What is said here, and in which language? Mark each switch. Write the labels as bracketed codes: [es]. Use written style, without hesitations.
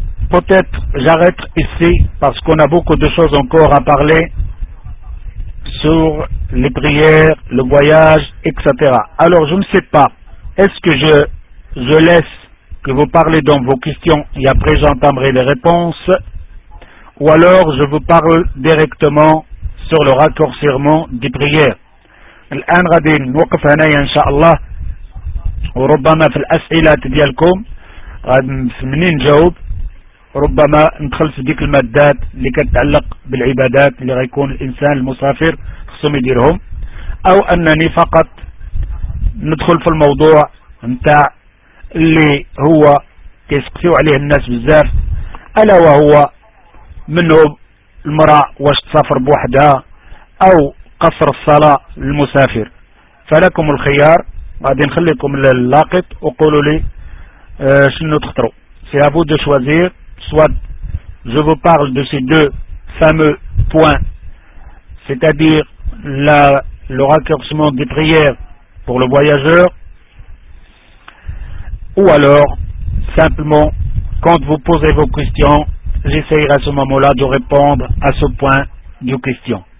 [fr] Peut-être j'arrête ici parce qu'on a beaucoup de choses encore à parler sur les prières, le voyage, etc. Alors je ne sais pas, est-ce que je laisse que vous parlez dans vos questions et après j'entamerai les réponses, ou alors je vous parle directement sur le raccourcissement des prières. [ar] الآن غادي نوقف هنا إن شاء الله وربما في الأسئلة ديالكم غادي نسمني نجاوب ربما ندخل في ديك المادات اللي كتتعلق بالعبادات اللي غيكون الانسان المسافر خصهم يديرهم، او انني فقط ندخل في الموضوع نتاع اللي هو كيسقسيو عليه الناس بزاف، الا وهو منه المراه واش تسافر بوحدها او قصر الصلاه للمسافر. فلكم الخيار، غادي نخليكم للاقط وقولوا لي شنو تختاروا. [fr] سي ا فو دو شوازير. Soit je vous parle de ces deux fameux points, c'est-à-dire le raccourcissement des prières pour le voyageur, ou alors simplement quand vous posez vos questions, j'essayerai à ce moment-là de répondre à ce point du question.